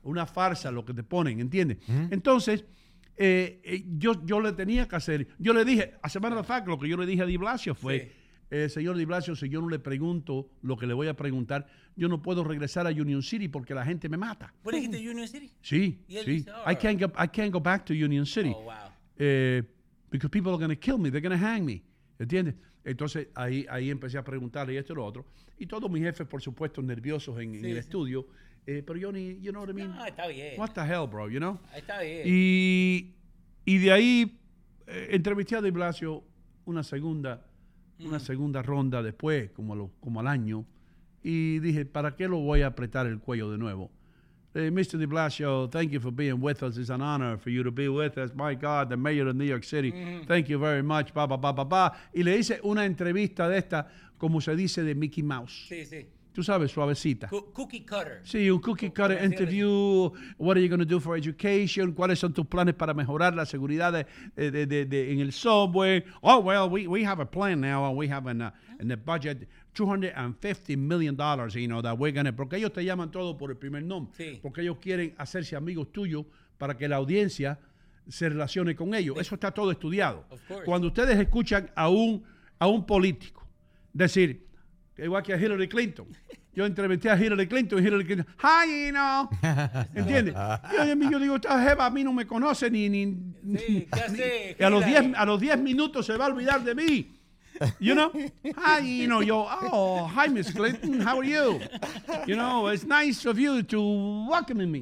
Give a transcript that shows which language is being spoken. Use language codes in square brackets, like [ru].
[es] Una farsa lo que te ponen, ¿entiendes? Uh-huh. Entonces, yo le tenía que hacer, yo le dije, a semana de fact, lo que yo le dije a de Blasio fue, sí, señor de Blasio, si yo no le pregunto lo que le voy a preguntar, yo no puedo regresar a Union City porque la gente me mata. ¿Vos dijiste Union City? Sí, sí. [en] I can't go back to Union City. Oh, wow. Because people are going to kill me, they're going to hang me, [es] ¿entiendes? Entonces, ahí empecé a preguntarle esto y lo otro. Y todos mis jefes, por supuesto, nerviosos en el estudio. Pero yo ni, [en] you know what I mean? [es] No, está bien. [en] What the hell, bro, you know? [es] Está bien. Y de ahí, entrevisté a de Blasio una segunda ronda después, como al año. Y dije, ¿para qué lo voy a apretar el cuello de nuevo? [en] Mr. de Blasio, thank you for being with us. It's an honor for you to be with us. My God, the mayor of New York City. Mm-hmm. Thank you very much. Pa, pa, pa, pa, pa. [es] Y le hice una entrevista de esta, como se dice, de Mickey Mouse. Sí, sí. Tú sabes, suavecita. [en] Cookie cutter. [es] Sí, un [en] cookie cutter interview. What are you going to do for education? [es] ¿Cuáles son tus planes para mejorar la seguridad de en el subway? [en] Oh, well, we have a plan now. And we have in the budget $250 million, you know, that we're going to... [es] Porque ellos te llaman todo por el primer nombre. Sí. Porque ellos quieren hacerse amigos tuyos para que la audiencia se relacione con ellos. Sí. Eso está todo estudiado. [en] Of course. [es] Cuando ustedes escuchan a un político decir... Igual que a Hillary Clinton. Yo entrevisté a Hillary Clinton y Hillary Clinton, [en] ¡Hi, Ino! [es] ¿Entiendes? Yo digo, esta jeva a mí no me conoce ni sí, ¿qué hace? Y a los 10 minutos se va a olvidar de mí. [en] You know? Hi, Ino. Yo, oh, hi, Miss Clinton. How are you? You know, it's nice of you to welcome me.